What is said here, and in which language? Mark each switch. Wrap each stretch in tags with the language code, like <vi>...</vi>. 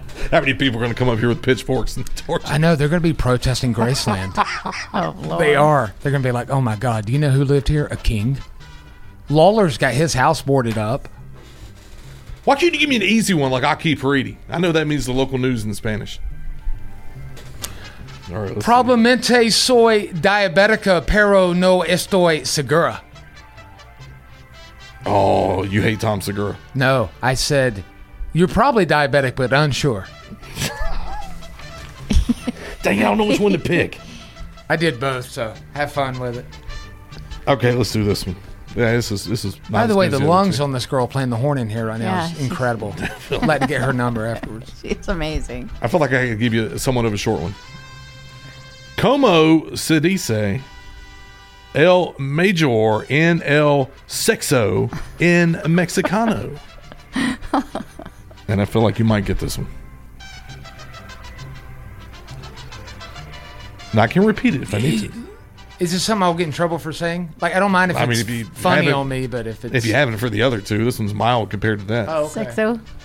<en>How many people are going to come up here with pitchforks and torches? I know. They're going to be protesting Graceland. Oh, Lord. They are. They're going to be like, oh, my God. Do you know who lived here? A king. Lawler's got his house boarded up. Why can't you give me an easy one like Aki Paridi? I know that means the local news in Spanish. All right,</en> <es>probablemente soy diabética, pero no estoy segura.</es> <en>Oh, you hate Tom Segura. No, I said... You're probably diabetic, but unsure. Dang, I don't know which one to pick. I did both, so have fun with it. Okay, let's do this one. Yeah, this is. By the way, the lungs on this girl playing the horn in here right now is incredible. Glad to get her number afterwards. It's amazing. I feel like I could give you somewhat of a short one.</en> <es>Como se dice el mayor en el sexo en Mexicano?</es> <en>And I feel like you might get this one. Now, I can repeat it if I need to. Is this something I'll get in trouble for saying? Like, I don't mind If you haven't for the other two, this one's mild compared to that. Oh, okay. Sexo.</en>